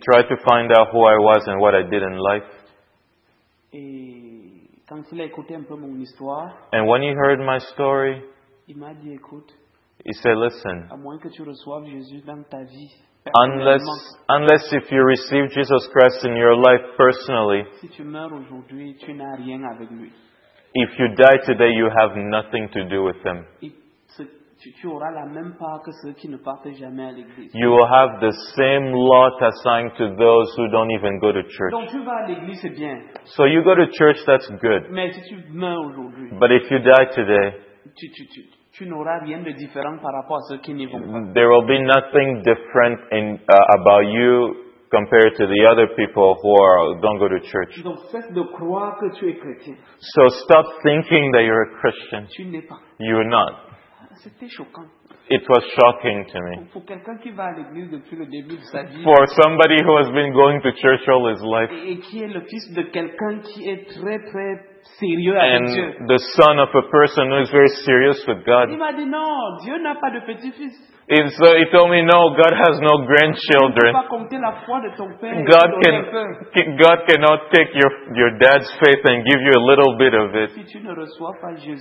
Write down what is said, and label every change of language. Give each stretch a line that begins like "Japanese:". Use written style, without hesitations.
English: tried to find out who I was and what I did in life.
French: Et quand il a écouté un peu mon histoire,
English: and when he heard my story,
French: il m'a dit, écoute,
English: he said, listen,
French: à moins que tu reçoives Jésus dans ta vie,
English: unless if you receive Jesus Christ in your life personally,
French: si tu meurs aujourd'hui, tu n'as rien avec lui.
English: If you die today, you have nothing to do with him.
French: Tu auras la même part que ceux qui ne partent jamais à l'église.
English: You will have the same lot assigned to those who don't even go to church.
French: Donc tu vas à l'église, c'est bien.
English: So you go to church, that's good.
French: Mais si tu meurs aujourd'hui,
English: but if you die today,
French: tu n'auras rien de différent par rapport à ceux qui n'y vont pas.
English: There will be nothing different in about you compared to the other people who don't go to church.
French: Donc cesse de croire que tu es chrétien.
English: So stop thinking that you're a Christian.
French: Tu n'es pas.
English: You're not.
French: C'était choquant.
English: It was shocking to me.
French: Pour quelqu'un qui va à l'église depuis le début de sa vie.
English: For somebody who has been going to church all his life.
French: Et qui est le fils de quelqu'un qui est très très sérieux avec Dieu.
English: And the son of a person who is very serious with God.
French: Il m'a dit non, Dieu n'a pas de petits-fils.
English: And so he told me, no, God has no grandchildren. God cannot take your dad's faith and give you a little bit of it.